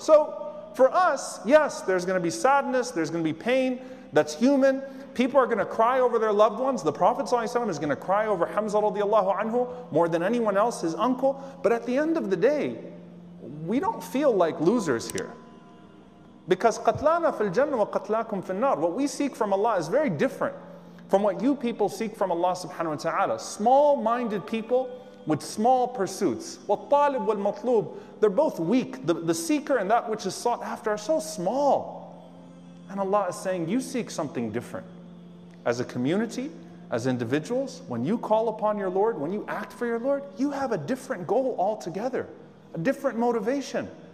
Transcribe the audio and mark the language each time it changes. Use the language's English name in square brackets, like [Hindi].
[English] So for us, yes, there's going to be sadness, there's going to be pain, that's human. People are going to cry over their loved ones. The Prophet ﷺ is going to cry over Hamza radiallahu anhu more than anyone else, his uncle. But at the end of the day, we don't feel like losers here. Because [Arabic] قَتْلَانَا فِي الْجَنَّةِ وَقَتْلَاكُمْ فِي النَّارِ. [English] What we seek from Allah is very different from what you people seek from Allah subhanahu wa ta'ala. Small-minded people with small pursuits. [Arabic] وَالطَّالِبْ وَالْمَطْلُوبِ. [English] They're both weak. The seeker and that which is sought after are so small. And Allah is saying, you seek something different. As a community, as individuals, when you call upon your Lord, when you act for your Lord, you have a different goal altogether, a different motivation.